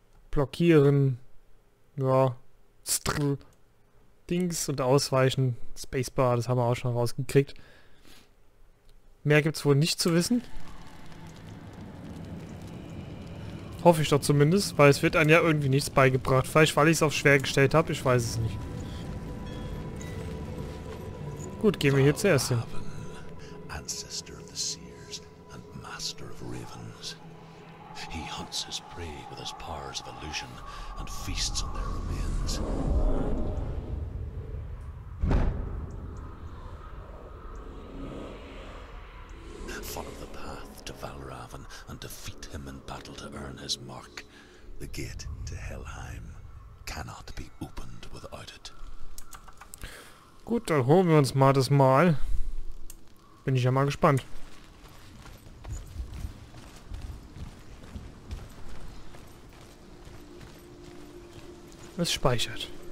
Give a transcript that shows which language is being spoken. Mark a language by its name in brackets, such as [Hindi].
[German] Blockieren, ja, strl, Dings und ausweichen, Spacebar, das haben wir auch schon rausgekriegt. Mehr gibt es wohl nicht zu wissen. Hoffe ich doch zumindest, weil es wird einem ja irgendwie nichts beigebracht. Vielleicht, weil ich es auf schwer gestellt habe, ich weiß es nicht. Gut, gehen wir hier zuerst hin. [English] Raven, Ancestor of the Seers and Master of Ravens. He hunts his prey with his powers of illusion and feasts on their remains. Follow the path to Valraven and defeat him in battle to earn his mark. The gate to Helheim cannot be opened without it. [German] Gut, dann holen wir uns mal das Mal. Bin ich ja mal gespannt. Es speichert.